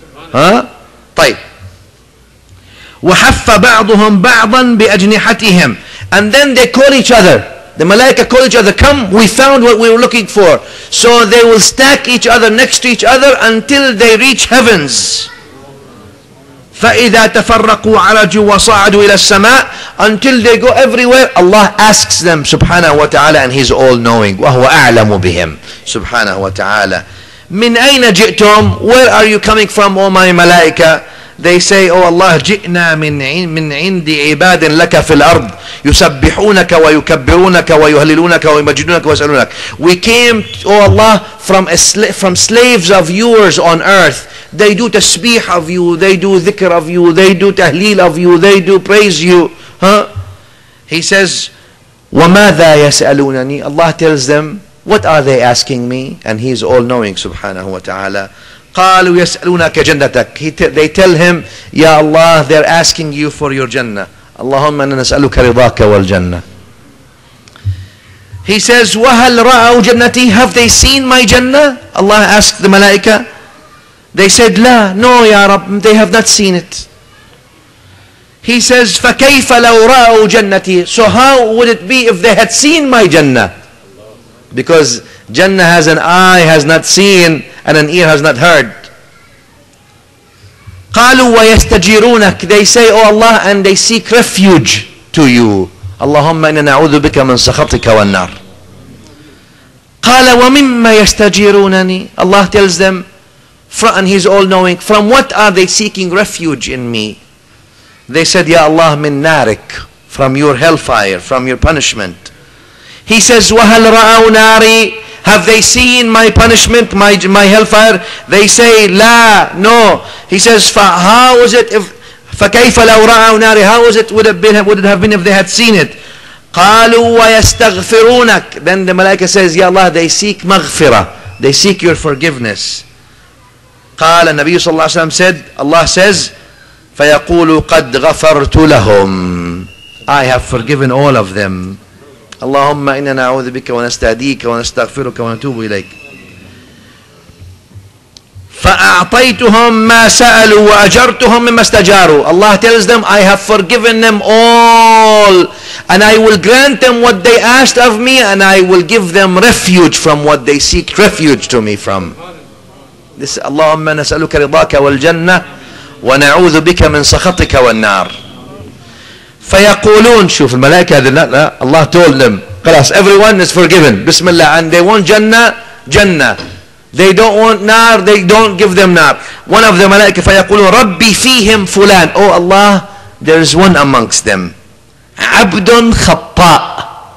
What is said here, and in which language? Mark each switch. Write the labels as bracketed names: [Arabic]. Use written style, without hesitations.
[Arabic] Huh? طيب. وحف بعضهم بعضا بأجنحتهم, [English] and then they call each other, the malaika call each other, come, we found what we were looking for. So they will stack each other next to each other until they reach heavens. [Arabic] فإذا تفرقوا عرجوا وصعدوا إلى السماء, [English] until they go everywhere. Allah asks them سبحانه وتعالى, and he's all knowing, [Arabic] وهو أعلم بهم سبحانه وتعالى. من أين جئتم, [English] where are you coming from, oh my malaika? They say, oh Allah, [Arabic] جئنا من عند عباد لك في الأرض يسبحونك ويكبرونك ويهللونك ويمجدونك ويسألونك. [English] We came, oh Allah, from slaves of yours on earth. They do tasbih of you, they do dhikr of you, they do tahleel of you, they do praise you. Huh? He says, [Arabic] وماذا يسألونني? [English] Allah tells them, what are they asking me? And he is all knowing سبحانه وتعالى. [Arabic] قالوا يسألونك جنتك. [English] They tell him, Ya Allah, they're asking you for your Jannah. [Arabic] اللهم أنا نسألك رضاك والجنة. [English] He says, [Arabic] وهل رأوا جنتي? [English] Have they seen my Jannah? Allah asked the Malaika. They said, لا, no, Ya Rab, they have not seen it. He says, [Arabic] فكيف لو رأوا جنتي? [English] So how would it be if they had seen my Jannah? Because Jannah has an eye, has not seen, and an ear has not heard. [Arabic] قالوا ويستجيرونك. [English] They say, oh Allah, and they seek refuge to you. [Arabic] اللهم إنا نعوذ بك من سخطك والنار. قال ومما يستجيرونني. [English] Allah tells them, and he's all knowing, from what are they seeking refuge in me? They said, Ya Allah, [Arabic] من نارك, [English] from your hellfire, from your punishment. He says, [Arabic] وهل رأوا ناري? [English] Have they seen my punishment, my hellfire? They say, لا, no. He says, how is it if, [Arabic] فكيف لو رأوا ناري? [English] How is it would it have been if they had seen it? [Arabic] قالوا ويستغفرونك. [English] Then the malaika says, Ya Allah, they seek maghfirah. They seek your forgiveness. [Arabic] قال النبي صلى الله عليه وسلم [English] said, Allah says, [Arabic] فيقول قد غفرت لهم. [English] I have forgiven all of them. [Arabic] اللهم إنا نعوذ بك ونستهديك ونستغفرك ونتوب إليك. فأعطيتهم ما سألوا وأجرتهم مما استجاروا. [English] Allah tells them, I have forgiven them all, and I will grant them what they asked of me, and I will give them refuge from what they seek refuge to me from. [Arabic] This, اللهم نسألك رضاك والجنة ونعوذ بك من سخطك والنار. فيقولون, شوف الملائكة هذه, لا, [English] Allah told them, [Arabic] خلاص, [English] everyone is forgiven, [Arabic] بسم الله, [English] and they want [Arabic] جنة. [English] They don't want nar, they don't give them nar. One of the malaika [Arabic] fayaqulu rabbi fihim fulan. [English] Oh Allah, there is one amongst them. [Arabic] Abdun khatta.